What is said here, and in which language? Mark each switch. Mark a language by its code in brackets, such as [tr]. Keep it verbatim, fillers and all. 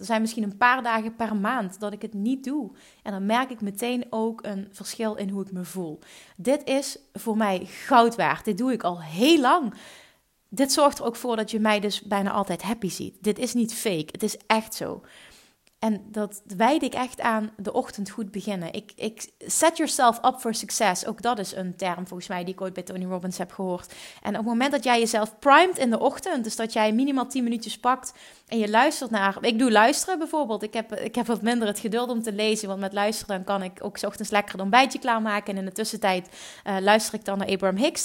[nl] Er zijn misschien een paar dagen per maand dat ik het niet doe. En dan merk ik meteen ook een verschil in hoe ik me voel. Dit is voor mij goud waard. Dit doe ik al heel lang. Dit zorgt er ook voor dat je mij dus bijna altijd happy ziet. Dit is niet fake. Het is echt zo. En dat wijd ik echt aan de ochtend goed beginnen. Ik, ik [en] set yourself up for success. [nl] Ook dat is een term volgens mij die ik ooit bij Tony Robbins heb gehoord. En op het moment dat jij jezelf primed in de ochtend, dus dat jij minimaal tien minuutjes pakt en je luistert naar... Ik doe luisteren bijvoorbeeld. Ik heb, ik heb wat minder het geduld om te lezen, want met luisteren dan kan ik ook 's ochtends lekker een ontbijtje klaarmaken. En in de tussentijd uh, luister ik dan naar Abraham Hicks.